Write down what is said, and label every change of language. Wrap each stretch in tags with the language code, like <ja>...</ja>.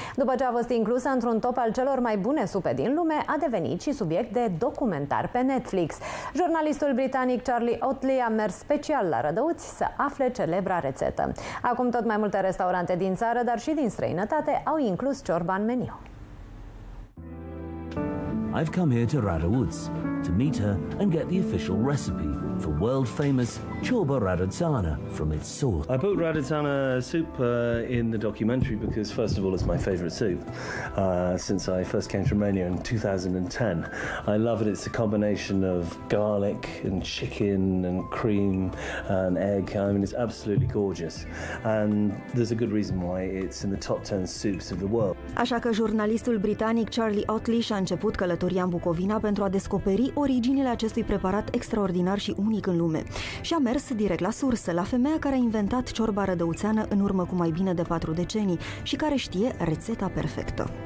<ro>După ce a fost inclusă într-un top al celor mai bune supe din lume, a devenit și subiect de documentar pe Netflix. Jurnalistul britanic Charlie Oatley a mers special la Rădăuți să afle celebra rețetă. Acum tot mai multe restaurante din țară, dar și din străinătate, au inclus ciorba în meniu.</ro> <en>I've come here to Rădăuți, to meet her and get the official recipe for world-famous ciorba radzana from its source. I put radzana soup in the documentary because, first of all, it's my favourite soup since I first came to Romania in 2010. I love it. It's a combination of garlic and chicken and cream and egg. I mean, it's absolutely gorgeous. And there's a good reason why it's in the top 10 soups of the world.</en> <ro>Așa că jurnalistul britanic Charlie Otley și-a început călătoria în Bucovina pentru a descoperi originile acestui preparat extraordinar și unic în lume. Și a mers direct la sursă, la femeia care a inventat ciorba rădăuțeană în urmă cu mai bine de 4 decenii și care știe rețeta perfectă.</ro>